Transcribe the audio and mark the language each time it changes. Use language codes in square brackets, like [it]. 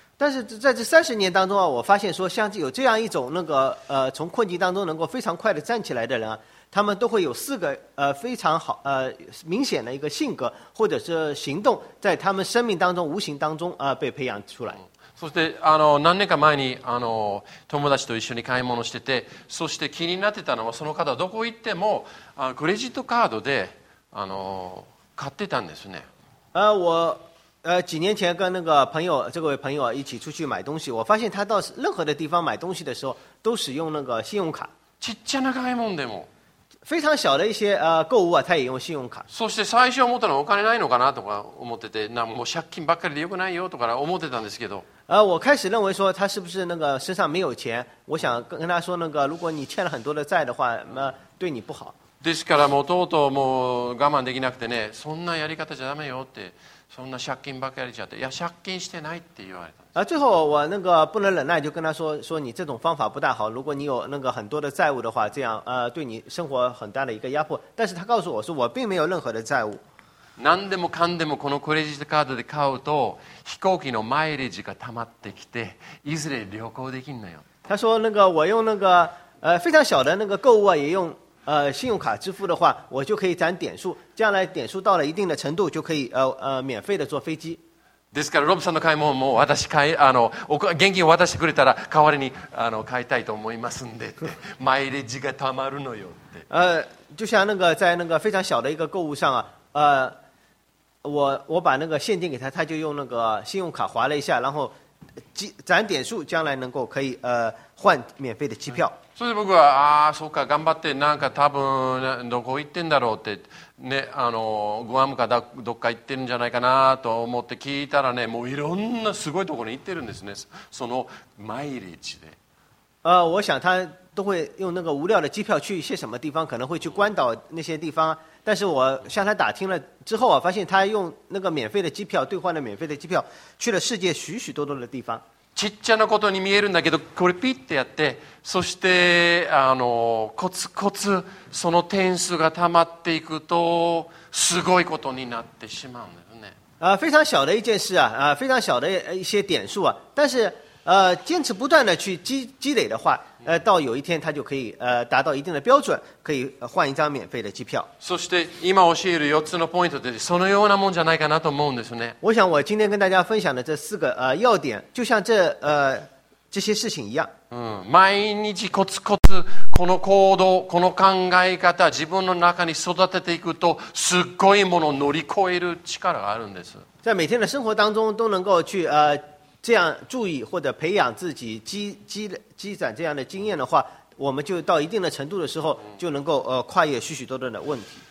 [zh] 但是在这30年当中啊，我发现说，像有这样一种那个从困境当中能够非常快的站起来的人啊，他们都会有四个非常好明显的一个性格或者是行动，在他们生命当中无形当中被培养出来。 [ja] そして何年か前に友達と一緒に買い物してて、そして気になってたのは、その方はどこ行ってもクレジットカードで買ってたんですね。 [zh] 我几年前跟那个朋友，这位朋友一起出去买东西，我发现他到任何的地方买东西的时候都使用那个信用卡。 [ja] ちっちゃな買い物でも。 [zh] 非常小的一些购物啊，他也用信用卡。 [ja] そして最初思ったのはお金ないのかなとか思ってて、なんもう借金ばっかりでよくないよとか思ってたんですけど。 [zh] 我开始认为说他是不是那个身上没有钱？我想跟他说那个，如果你欠了很多的债的话，那对你不好。 [ja] ですからもうとうとうもう我慢できなくてね、そんなやり方じゃダメよって、そんな借金ばっかりじゃって、いや借金してないって言われた。 [zh] 最后我那个不能忍耐，就跟他说说你这种方法不大好。如果你有那个很多的债务的话，这样对你生活很大的一个压迫。但是他告诉我说我并没有任何的债务。 [ja] 何でもかんでもこのクレジットカードで買うと飛行機のマイレージがたまってきて、いずれ旅行できんのよ。 [zh] 他说那个我用那个非常小的那个购物啊，也用信用卡支付的话，我就可以攒点数，将来点数到了一定的程度，就可以免费的坐飞机。 [ja] ですからロブさんの買い物も私買い現金を渡してくれたら代わりに買いたいと思いますんでって、マイレージがたまるのよって。 [zh] 就像那个在那个非常小的一个购物上啊。我把那个现金给他，他就用那个信用卡划了一下，然后攒点数，将来能够可以换免费的机票。 [ja] 所以僕はああそうか頑張ってなんか多分どこ行ってんだろうってね、グアムかどっか行ってるんじゃないかなと思って聞いたらね、もういろんなすごいところに行ってるんですね、そのマイレージで。 [zh] 我想他都会用那个无料的机票去一些什么地方，可能会去关岛那些地方。但是我向他打听了之后啊，发现他用那个免费的机票兑换了免费的机票，去了世界许许多多的地方。 [ja] ちっちゃなことに見えるんだけど、これピッてやって、そしてコツコツその点数がたまっていくと、すごいことになってしまうんだよね。 [zh] 非常小的一件事啊，非常小的一些点数啊，但是坚持不断的去积累的话。到有一天他就可以达到一定的标准，可以换一张免费的机票。 [ja] そして今教える4つのポイントでそのようなもんじゃないかなと思うんですね。 [zh] 我想我今天跟大家分享的这四个要点，就像这些事情一样。 [ja] 毎日コツコツこの行動、この考え方、自分の中に育てていくと、すっごいものを乗り越える力があるんです。 [zh] 在每天的生活当中都能够去这样注意或者培养自己积攒这样的经验的话，我们就到一定的程度的时候，就能够跨越许许多多的问题。